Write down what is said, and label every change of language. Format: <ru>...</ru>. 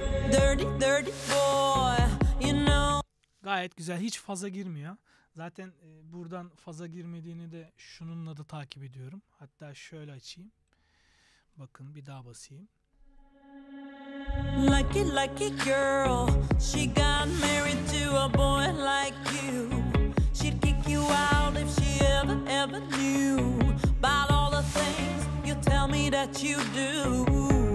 <en>Dirty, dirty boy, you know.</en> <tr>Gayet güzel, hiç faza girmiyor. Zaten buradan faza girmediğini de şununla da takip ediyorum. Hatta şöyle açayım. Bakın bir daha basayım.</tr> <en>Lucky, lucky girl, she got married to a boy like you. She'd kick you out if she ever knew. About all the things you tell me that you do.</en>